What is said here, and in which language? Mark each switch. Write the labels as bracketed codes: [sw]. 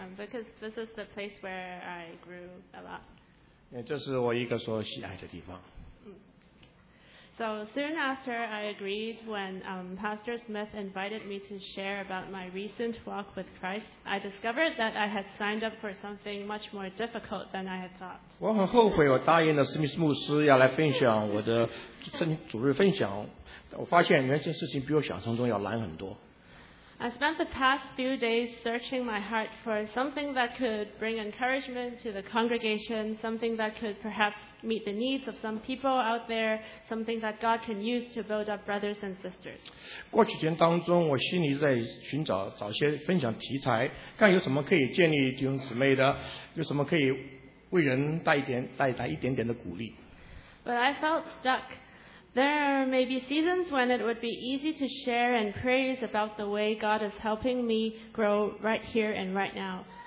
[en] Because this is the place where I grew a lot. [zh] 这是我一个所喜爱的地方。 [en] So soon after I agreed when Pastor Smith invited me to share about my recent walk with Christ, I discovered that I had signed up for something much more difficult than I had thought. [zh] 我很后悔我答应了史密斯牧师要来分享我的主日分享，我发现原先事情比我想象中要难很多。 [en] I spent the past few days searching my heart for something that could bring encouragement to the congregation, something that could perhaps meet the needs of some people out there, something that God can use to build up brothers and sisters. [zh] 过去间当中，我心里在寻找找些分享题材，看有什么可以建立弟兄姊妹的，有什么可以为人带一点点的鼓励。 [en] But I felt stuck. There may be seasons when it would be easy to share and praise about the way God is helping me grow right here and right now.